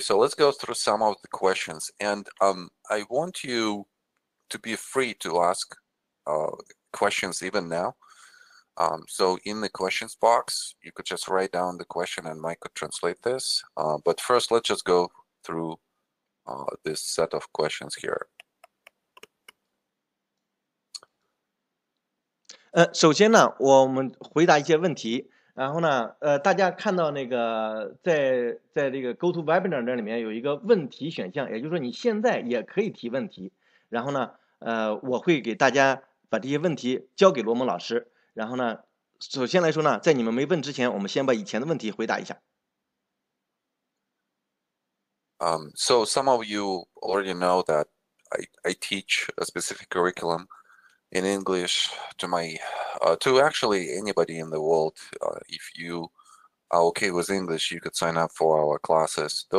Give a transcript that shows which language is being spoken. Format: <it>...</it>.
<en>so let's go through some of the questions, and I want you to be free to ask questions even now. So in the questions box, you could just write down the question, and Mike could translate this. But first, let's just go through this set of questions here.</en> <zh>首先呢，我们回答一些问题。然后呢，大家看到那个在这个 Go to Webinar 那里面有一个问题选项，也就是说你现在也可以提问题。然后呢，我会给大家把这些问题交给罗蒙老师。然后呢，首先来说呢，在你们没问之前，我们先把以前的问题回答一下。</zh> <en>So some of you already know that I teach a specific curriculum in English to my to actually anybody in the world. If you are okay with English, you could sign up for our classes.</en>